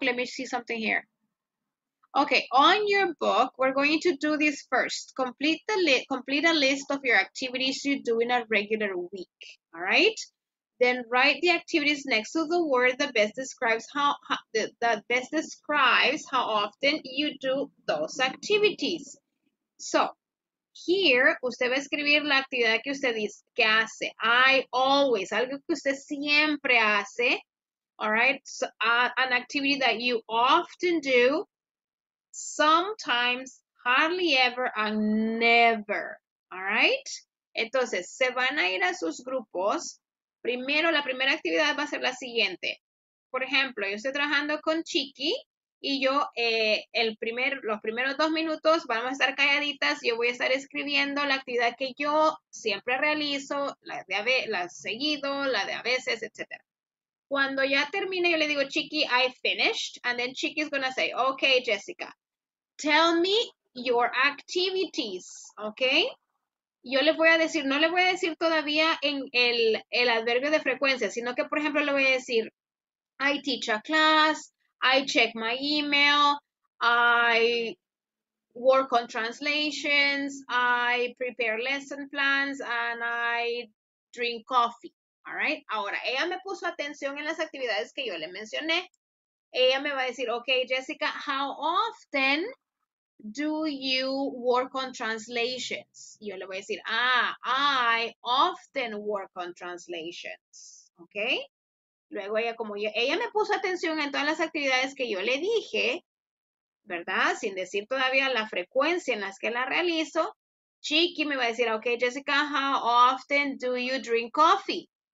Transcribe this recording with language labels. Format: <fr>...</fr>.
<en>Let me see something here. Okay, on your book, we're going to do this first. Complete a list of your activities you do in a regular week, all right? Then write the activities next to the word that best describes how often you do those activities. So, here,</en> <es>usted va a escribir la actividad que usted dice que hace.</es> <en>I always,</en> <es>algo que usted siempre hace,</es> <en>all right? So, an activity that you often do, sometimes, hardly ever, and never, all right?</en> <es>Entonces, se van a ir a sus grupos. Primero, la primera actividad va a ser la siguiente. Por ejemplo, yo estoy trabajando con Chiqui y yo, los primeros dos minutos, vamos a estar calladitas. Yo voy a estar escribiendo la actividad que yo siempre realizo, la de a veces, etc. Cuando ya termine, yo le digo, Chiqui,</es> <en>I finished. And then Chiqui is going to say, okay, Jessica, tell me your activities, okay?</en> <es>Yo le voy a decir, no le voy a decir todavía en el adverbio de frecuencia, sino que, por ejemplo, le voy a decir,</es> <en>I teach a class, I check my email, I work on translations, I prepare lesson plans, and I drink coffee, all right?</en> <es>Ahora, ella me puso atención en las actividades que yo le mencioné. Ella me va a decir,</es> <en>okay, Jessica, how often do you work on translations?</en> <es>Yo le voy a decir,</es> <en>I often work on translations. Okay?</en> <es>Luego ella, ella me puso atención en todas las actividades que yo le dije, ¿verdad? Sin decir todavía la frecuencia en las que la realizo. Chiqui me va a decir,</es> <en>okay, Jessica, how often do you drink coffee?</en>